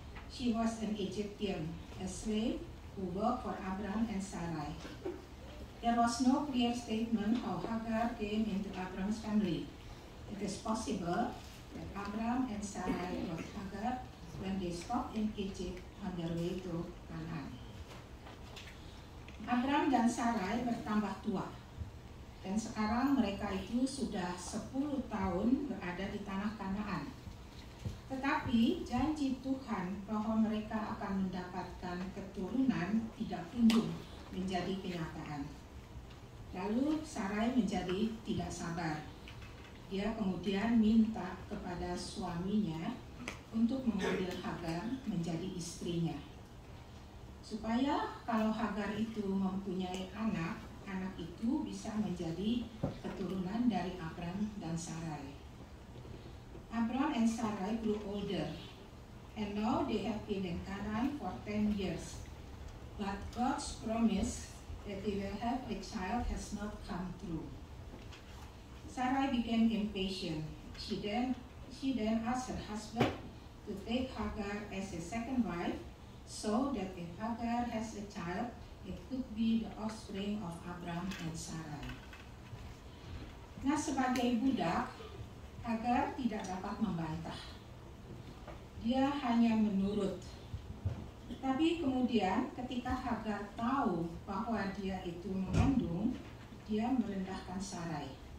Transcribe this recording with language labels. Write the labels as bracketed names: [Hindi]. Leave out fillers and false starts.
[English] She was an Egyptian, a slave who worked for Abraham and Sarai. There was no clear statement how Hagar came into Abraham's family. It is possible that Abraham and Sarai brought Hagar when they stopped in Egypt on their way to Canaan. [Indonesian] Abraham dan Sarai bertambah tua, dan sekarang mereka itu sudah 10 tahun berada di Tanah Kanaan. Tetapi janji Tuhan bahwa mereka akan mendapatkan keturunan tidak kunjung menjadi kenyataan. Lalu Sarai menjadi tidak sabar. Dia kemudian minta kepada suaminya untuk mengambil Hagar menjadi istrinya. supaya kalau Hagar itu mempunyai anak, anak itu bisa menjadi keturunan dari Abram dan Sarai. [English] Abram and Sarai grew older, and now they have been in Canaan for 10 years. But God's promise that they will have a child has not come true. Sarai became impatient. She then asked her husband to take Hagar as a second wife, so that if Hagar has a child, it could be the offspring of Abram and Sarai. [Indonesian] Nah, sebagai budak, Hagar tidak dapat membantah. Dia hanya menurut. Tapi kemudian ketika Hagar tahu bahwa dia itu mengandung, dia merendahkan Sarai.